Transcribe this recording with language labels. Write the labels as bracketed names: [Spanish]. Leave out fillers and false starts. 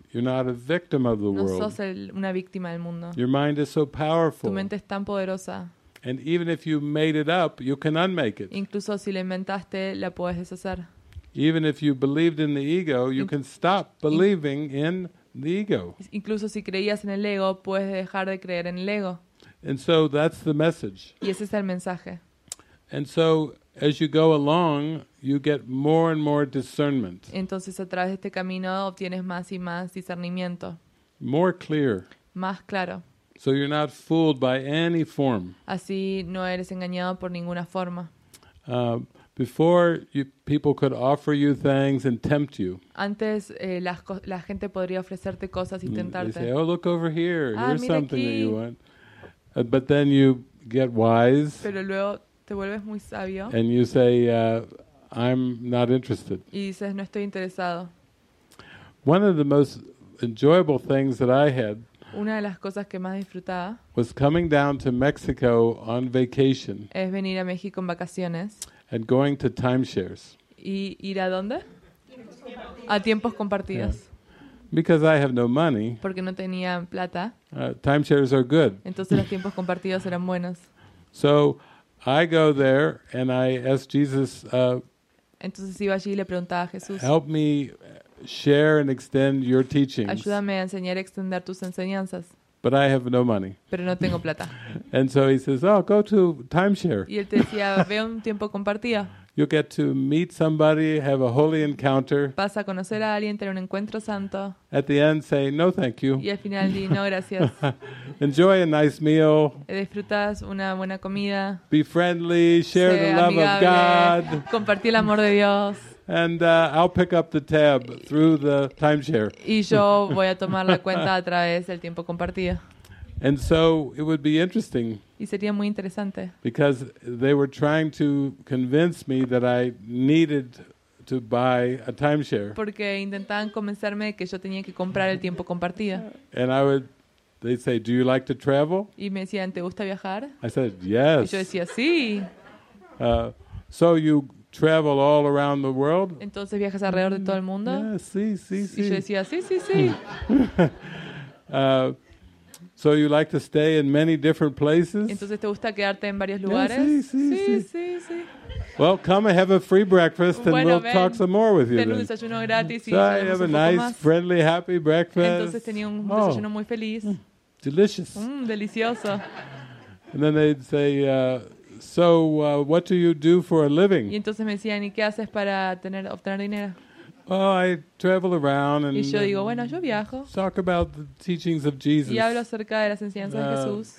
[English] You're not a victim of the world. [Spanish] No sos una víctima del mundo. [English] Your mind is so powerful. [Spanish] Tu mente es tan poderosa. [English] And even if you made it up, you can unmake it. [Spanish] Incluso si la inventaste, la puedes deshacer. [English] Even if you believed in the ego, you can stop believing in the ego. [Spanish] Incluso si creías en el ego, puedes dejar de creer en el ego. [English] And so that's the message. [Spanish] Y ese es el mensaje. [English] And so as you go along, you get more and more discernment. [Spanish] Entonces a través de este camino obtienes más y más discernimiento. [English] More clear. [Spanish] Más claro. [English] So you're not fooled by any form. [Spanish] Así no eres engañado por ninguna forma. [English] Before you, people could offer you things and tempt you. [Spanish] Antes la gente podría ofrecerte cosas y tentarte. [English] They say, "Oh, look over here. [Spanish] Ah, [English] here's something [Spanish] aquí [English] that you want." But then you get wise. [Spanish] Pero luego te vuelves muy sabio. [English] And you say, "I'm not interested." [Spanish] Y dices, "No estoy interesado." [English] One of the most enjoyable things that I had. [Spanish] Una de las cosas que más disfrutaba. [English] Was coming down to Mexico on vacation. [Spanish] Es venir a México en vacaciones. [English] And going to timeshares. [Spanish] ¿Y ir a dónde? A tiempos compartidos. Yeah. [English] Because I have no money. [Spanish] Porque no tenía plata. [English] Timeshares are good. [Spanish] Entonces los tiempos compartidos eran buenos. [English] So I go there and I ask Jesus. [Spanish] Entonces iba allí y le preguntaba a Jesús. [English] Help me share and extend your teachings. [Spanish] Ayúdame a enseñar y extender tus enseñanzas. [English] But I have no money. [Spanish] Pero no tengo plata. [English] And so he says, "Oh, go to timeshare." [Spanish] Y él te decía, ve un tiempo compartido. [English] You get to meet somebody, have a holy encounter. [Spanish] Vas a conocer a alguien, tener un encuentro santo. [English] At the end, say no, thank you. [Spanish] Y al final, di no, gracias. [English] Enjoy a nice meal. [Spanish] Disfrutas una buena comida. [English] Be friendly, share the love of God. [Spanish] Compartir el amor de Dios. [English] And I'll pick up the tab through the timeshare. [Spanish] Y yo voy a tomar la cuenta a través del tiempo compartido. [English] And so it would be interesting. [Spanish] Y sería muy interesante. [English] Because they were trying to convince me that I needed to buy a timeshare. [Spanish] Porque intentaban convencerme que yo tenía que comprar el tiempo compartido. [English] And I would, they'd say, "Do you like to travel?" [Spanish] Y me decían, "¿Te gusta viajar?" [English] I said, "Yes." [Spanish] Y yo decía, "Sí." [English] So you travel all around the world? [Spanish] Entonces viajas alrededor de todo el mundo? Yeah, sí, sí, sí. Y yo decía, sí, sí, sí. [English] So you like to stay in many different places? [Spanish] Entonces te gusta quedarte en varios lugares? Yeah, sí, sí, sí, sí, sí, sí. [English] Well, come and have a free breakfast and [Spanish] bueno, [English] we'll talk some more with you. [Spanish] Ten un desayuno gratis y [English] so I have a nice, [Spanish] más [English] friendly, happy breakfast. [Spanish] Entonces tenía un desayuno muy feliz. [English] Delicious. [Spanish] Delicioso. [English] And then they'd say, "So, what do you do for a living?" [Spanish] Y entonces me decían, ¿y qué haces para obtener dinero? [English] Oh, I travel around and. [Spanish] Y yo digo, bueno, yo viajo. [English] Talk about the teachings of Jesus. [Spanish] Y hablo acerca de las enseñanzas de Jesús.